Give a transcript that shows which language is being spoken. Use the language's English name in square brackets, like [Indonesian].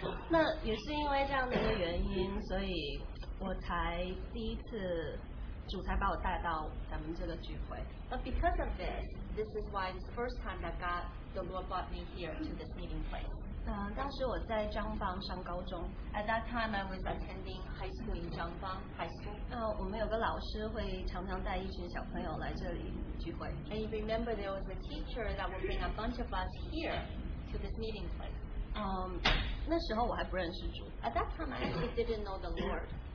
[Chinese] 那也是因为这样的一个原因，所以我才第一次主才把我带到咱们这个聚会。 [English] But because of this, this is why it's the first time that God, the Lord brought me here to this meeting place. [Chinese] 当时我在张方上高中。 [English] At that time, I was attending high school in Zhangfang High School. [Chinese] 我们有个老师会常常带一群小朋友来这里聚会。 [English] And you remember there was a teacher that would bring a bunch of us here to this meeting place. [Chinese] 那时候我还不认识主。 [English] At that time, I actually didn't know the Lord.